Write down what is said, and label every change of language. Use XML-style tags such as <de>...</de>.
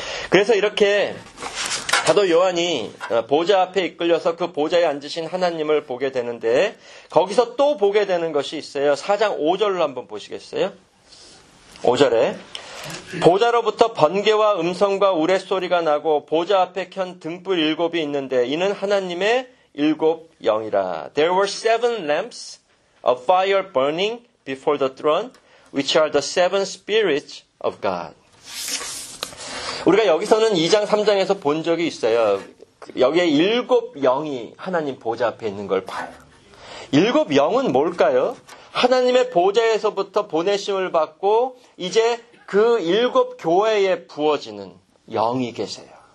<ko>그래서 이렇게 사도 요한이 보좌 앞에 이끌려서 그 보좌에 앉으신 하나님을 보게 되는데 거기서 또 보게 되는 것이 있어요. 4장 5절로 한번 보시겠어요? 5절에 보좌로부터 번개와 음성과 우레소리가 나고 보좌 앞에 켠 등불 일곱이 있는데 이는 하나님의 일곱 영이라.</ko> <en>There were seven lamps of fire burning before the throne, which are the seven spirits of God.</en> <ko>우리가 여기서는 2장 3장에서 본 적이 있어요. 여기에 일곱 영이 하나님 보좌 앞에 있는 걸 봐요. 일곱 영은 뭘까요? 하나님의 보좌에서부터 보내심을 받고 이제 그 일곱 교회에 부어지는 영이 계세요.</ko>